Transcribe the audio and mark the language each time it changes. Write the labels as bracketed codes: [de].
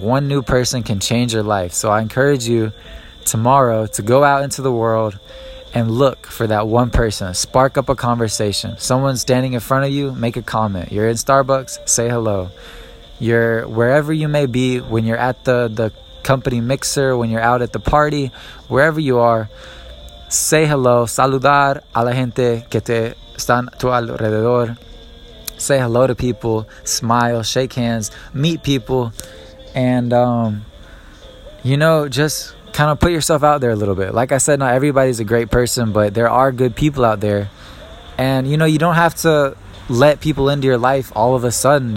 [en] One new person can change your life. So I encourage you tomorrow to go out into the world and look for that one person. Spark up a conversation. Someone standing in front of you, make a comment. You're in Starbucks, say hello. You're wherever you may be, when you're at the company mixer, when you're out at the party, wherever you are, say hello. [es] Saludar a la gente que te están tu alrededor. [en] Say hello to people, smile, shake hands, meet people, and you know, just kind of put yourself out there a little bit. Like I said, not everybody's a great person, but there are good people out there. And you know, you don't have to let people into your life all of a sudden.